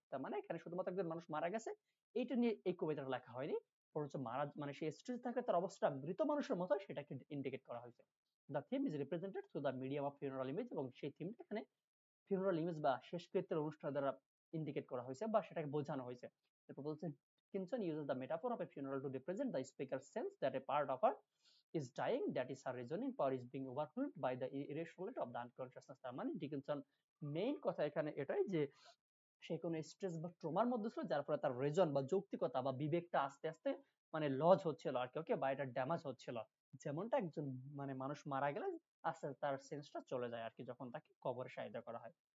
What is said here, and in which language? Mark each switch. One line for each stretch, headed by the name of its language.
Bangla: তার মানে এখানে শুধুমাত্র একজন মানুষ মারা গেছে এইটা নিয়ে এই কবিতাটা লেখা হয়নি, বরঞ্চ মারা মানে সে স্ট্রেসে থাকে তার অবস্থাটা মৃত মানুষের মতো হয় সেটাকে ইন্ডিকেট করা হয়েছে।
English: the theme is represented through the medium of funeral image,
Bangla: এবং সেই থিমটা এখানে ফিউনারাল ইমেজ বা শেষকৃত্যের অনুষ্ঠান দ্বারা ইন্ডিকেট করা হয়েছে বা সেটাকে বোঝানো হয়েছে। এরপর বলছেন
English: Dickinson uses the metaphor of a funeral to represent the speaker's sense that a part of her is dying, that is her reasoning power is being overwhelmed by the irrationality of the unconsciousness.
Bangla: তার মানে Dickinson main কথা এখানে এটাই যে সে কোনো stress বা ট্রমার মধ্যে ছিল যার ফলে তার রিজন বা যৌক্তিকতা বা বিবেকটা আস্তে আস্তে মানে লজ হচ্ছিল আর কি, ওকে, বা এটা ড্যামেজ হচ্ছিল, যেমনটা একজন মানে মানুষ মারা গেলে আস্তে আস্তে তার সেন্সটা চলে যায় আর কি যখন তাকে কবরে সাহায্য করা হয়।